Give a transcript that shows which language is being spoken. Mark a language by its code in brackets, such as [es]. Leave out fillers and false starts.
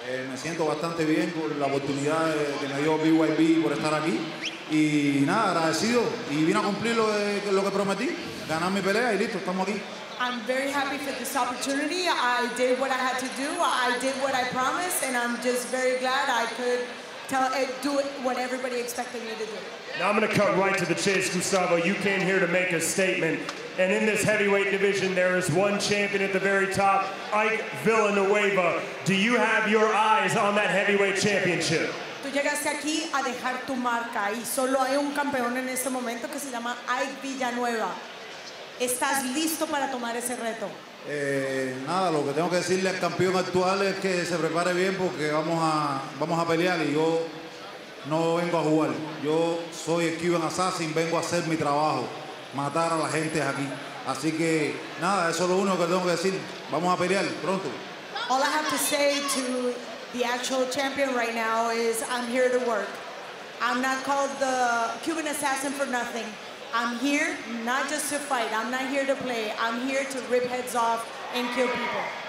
[es] Me siento bastante bien por la oportunidad que me dio BYB por estar aquí. Y nada, agradecido. Y vine a cumplir lo que prometí, ganar mi pelea y listo, estamos aquí. [en] I'm very happy for this opportunity. I did what I had to do. I did what I promised, and I'm just very glad I could do it what everybody expected me to do. Now I'm gonna cut right to the chase, Gustavo. You came here to make a statement. And in this heavyweight division, there is one champion at the very top, Ike Villanueva. Do you have your eyes on that heavyweight championship? [es] Tú llegaste aquí a dejar tu marca, y solo hay un campeón en este momento que se llama Ike Villanueva. ¿Estás listo para tomar ese reto? Nada, lo que tengo que decirle al campeón actual es que se prepare bien porque vamos a pelear y yo no vengo a jugar. Yo soy el Cuban Assassin, vengo a hacer mi trabajo, matar a la gente aquí. Así que nada, eso es lo único que tengo que decir. Vamos a pelear pronto. [en] All I have to say to the actual champion right now is I'm here to work. I'm not called the Cuban Assassin for nothing. I'm here not just to fight. I'm not here to play. I'm here to rip heads off and kill people.